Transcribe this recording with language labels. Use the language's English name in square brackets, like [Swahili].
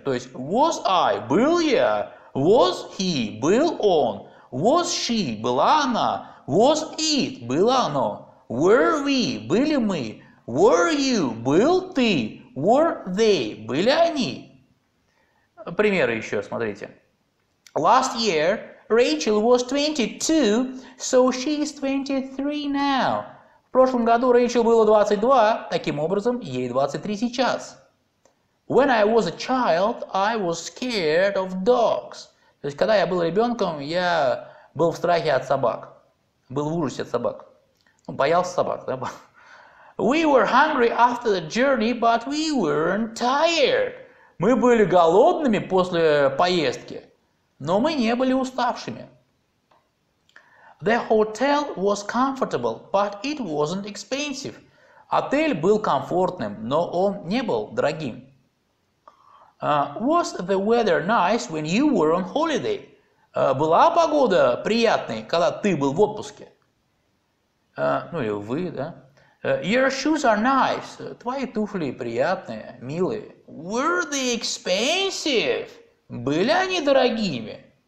[Russian] То есть [English] was I, [Russian] был я? [English] Was he, [Russian] был он, [English] was she, [Russian] была она, [English] was it, [Russian] было оно, [English] were we, [Russian] были мы, [English] were you, [Russian] был ты, [English] were they, [Russian] были они. Примеры еще, смотрите. [English] Last year Rachel was 22, so she's 23 now. [Russian] В прошлом году Рэйчел было 22, таким образом ей 23 сейчас. [English] When I was a child, I was scared of dogs. [Russian] То есть, когда я был ребенком, я был в страхе от собак. Был в ужасе от собак. Ну, боялся собак, да? [English] We were hungry after the journey, but we weren't tired. [Russian] Мы были голодными после поездки, но мы не были уставшими. [English] The hotel was comfortable, but it wasn't expensive. [Russian] Отель был комфортным, но он не был дорогим. [English] Was the weather nice when you were on holiday? [Russian] Была погода приятной, когда ты был в отпуске? Ну, или вы, да? [English] Your shoes are nice. [Russian] Твои туфли приятные, милые. [English] Were they expensive? [Russian] Были они дорогими?